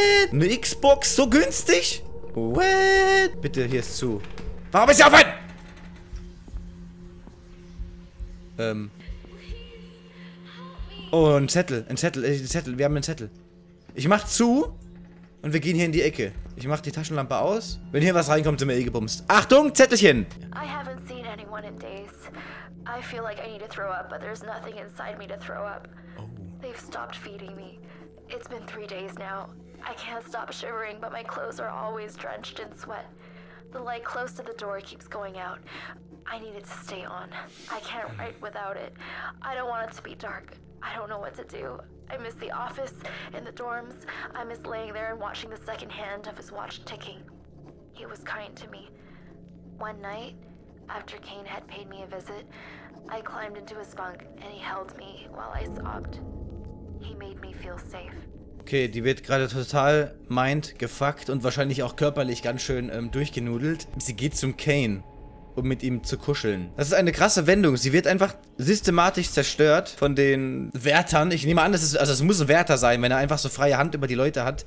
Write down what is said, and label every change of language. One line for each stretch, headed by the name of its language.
German: Eine Xbox so günstig? What? Bitte, hier ist zu. Warum ist er offen? Oh, ein Zettel. Wir haben einen Zettel. Ich mach zu und wir gehen hier in die Ecke. Ich mach die Taschenlampe aus. Wenn hier was reinkommt, sind wir eh gebumst. Achtung, Zettelchen!
English: I haven't seen anyone in days. I feel like I need to throw up, but there's nothing inside me to throw up. Oh. They've stopped feeding me. It's been 3 days now. I can't stop shivering, but my clothes are always drenched in sweat. The light close to the door keeps going out. I need it to stay on. I can't write without it. I don't want it to be dark. I don't know what to do. I miss the office and the dorms. I miss laying there and watching the second hand of his watch ticking. He was kind to me. One night, after Kane had paid me a visit, I climbed into his bunk and he held me while I sobbed. He made me feel safe.
German: Okay, die wird gerade total mind gefuckt und wahrscheinlich auch körperlich ganz schön durchgenudelt. Sie geht zum Kane, um mit ihm zu kuscheln. Das ist eine krasse Wendung. Sie wird einfach systematisch zerstört von den Wärtern. Ich nehme an, das muss ein Wärter sein, wenn er einfach so freie Hand über die Leute hat.